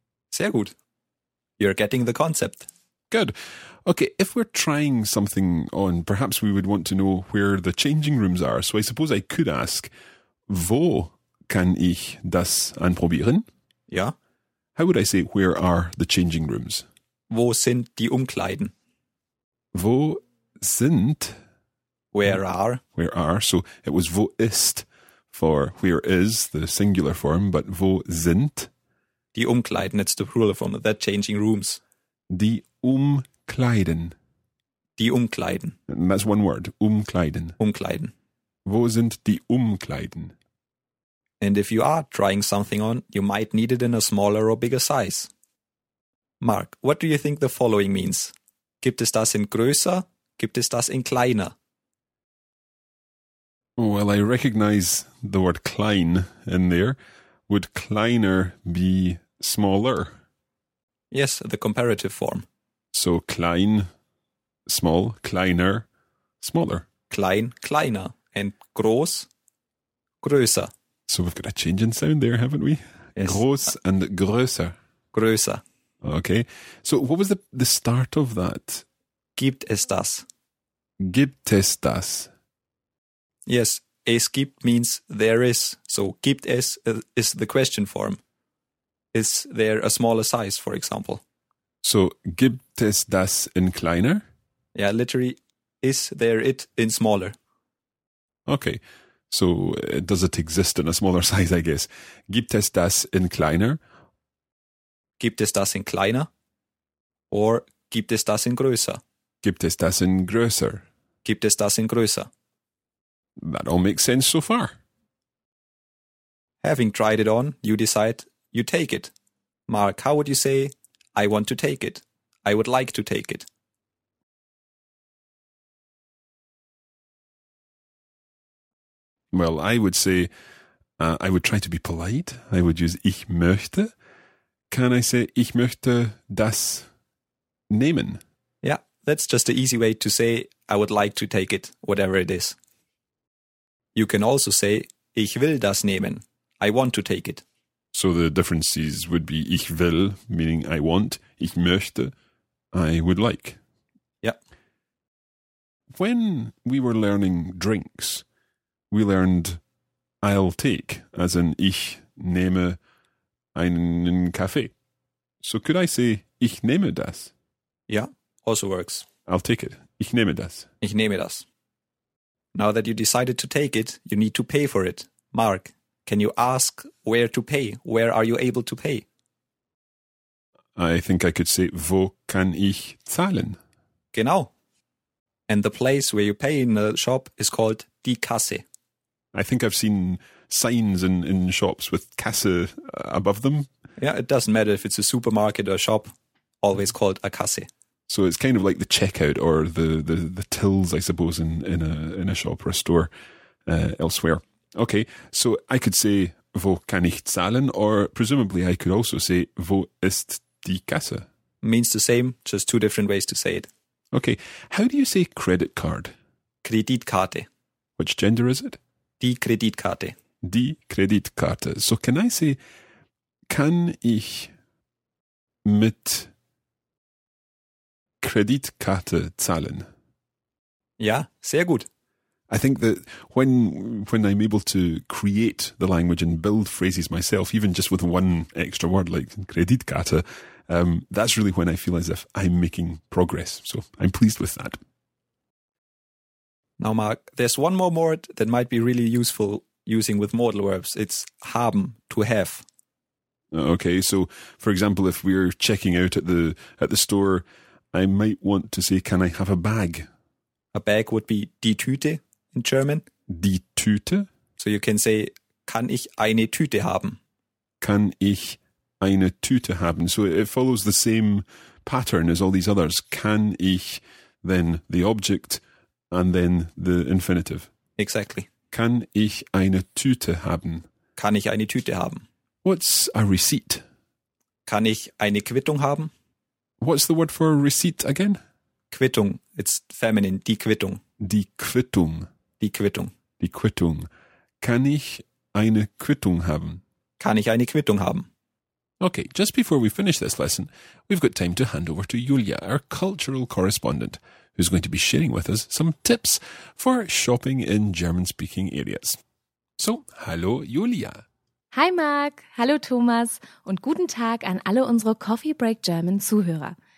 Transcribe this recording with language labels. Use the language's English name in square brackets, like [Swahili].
[German] Sehr gut. [English] You're getting the concept. Good. Okay, if we're trying something on, perhaps we would want to know where the changing rooms are. So I suppose I could ask, [German] wo kann ich das anprobieren? Ja. [English] How would I say, where are the changing rooms? [German] Wo sind die Umkleiden? Wo sind... [English] Where are. Where are. So it was [German] wo ist [English] for where is, the singular form, but [German] wo sind. [English] Die Umkleiden, it's the plural form of that, changing rooms. [German] Die Umkleiden. Die Umkleiden. [English] And that's one word, Umkleiden. [German] Umkleiden. Wo sind die Umkleiden? [English] And if you are trying something on, you might need it in a smaller or bigger size. Mark, what do you think the following means? [German] Gibt es das in größer? Gibt es das in kleiner? [English] Well, I recognize the word klein in there. Would kleiner be smaller? Yes, the comparative form. So klein, small, kleiner, smaller. [German] Klein, kleiner, and groß, größer. [English] So we've got a change in sound there, haven't we? Yes. [German] Groß and größer. Größer. [English] Okay. So what was the start of that? [German] Gibt es das? Gibt es das? [English] Yes, [German] es gibt [English] means there is. So [German] gibt es [English] is the question form. Is there a smaller size, for example? [German] So gibt es das in kleiner? [English] Yeah, literally, is there it in smaller? Okay, so does it exist in a smaller size, I guess. [German] Gibt es das in kleiner? Gibt es das in kleiner? Or gibt es das in größer? Gibt es das in größer? Gibt es das in größer? [English] That all makes sense so far. Having tried it on, you decide you take it. Mark, how would you say, I want to take it? I would like to take it. Well, I would say, I would try to be polite. I would use [German] ich möchte. [English] Can I say [German] ich möchte das nehmen? [English] Yeah, that's just the easy way to say I would like to take it, whatever it is. You can also say [German] ich will das nehmen. [English] I want to take it. So the differences would be [German] ich will, [English] meaning I want, [German] ich möchte, [English] I would like. Yeah. When we were learning drinks, we learned I'll take, as in [German] ich nehme einen Kaffee. [English] So could I say [German] ich nehme das? [English] Yeah, also works. I'll take it. [German] Ich nehme das. Ich nehme das. [English] Now that you decided to take it, you need to pay for it. Mark, can you ask where to pay? Where are you able to pay? I think I could say, [German] wo kann ich zahlen? Genau. [English] And the place where you pay in the shop is called die Kasse. I think I've seen signs in shops with Kasse above them. Yeah, it doesn't matter if it's a supermarket or a shop, always called a Kasse. So it's kind of like the checkout or the tills, I suppose, in a shop or a store elsewhere. Okay, so I could say, [German] wo kann ich zahlen? [English] Or presumably I could also say, [German] wo ist die Kasse? [English] Means the same, just two different ways to say it. Okay, how do you say credit card? [German] Kreditkarte. [English] Which gender is it? [German] Die Kreditkarte. Die Kreditkarte. [English] So can I say, [German] kann ich mit Kreditkarte zahlen? Ja, sehr gut. [English] I think that when I'm able to create the language and build phrases myself, even just with one extra word like Kreditkarte, that's really when I feel as if I'm making progress. So I'm pleased with that. Now, Mark, there's one more word that might be really useful using with modal verbs. It's haben, to have. Okay, so for example, if we're checking out at the store, I might want to say, can I have a bag? A bag would be die Tüte in German. [German] Die Tüte? [English] So you can say, [German] kann ich eine Tüte haben? Kann ich eine Tüte haben? [English] So it follows the same pattern as all these others. Kann ich, then the object, and then the infinitive. Exactly. [German] Kann ich eine Tüte haben? Kann ich eine Tüte haben? [English] What's a receipt? [German] Kann ich eine Quittung haben? [English] What's the word for receipt again? [German] Quittung. [English] It's feminine. [German] Die Quittung. Die Quittung. Die Quittung. Die Quittung. Kann ich eine Quittung haben? Kann ich eine Quittung haben? [English] Okay, just before we finish this lesson, we've got time to hand over to Julia, our cultural correspondent, who's going to be sharing with us some tips for shopping in German-speaking areas. [German] So, hallo Julia. Hi Marc, hallo Thomas und guten Tag an alle unsere Coffee Break German Zuhörer.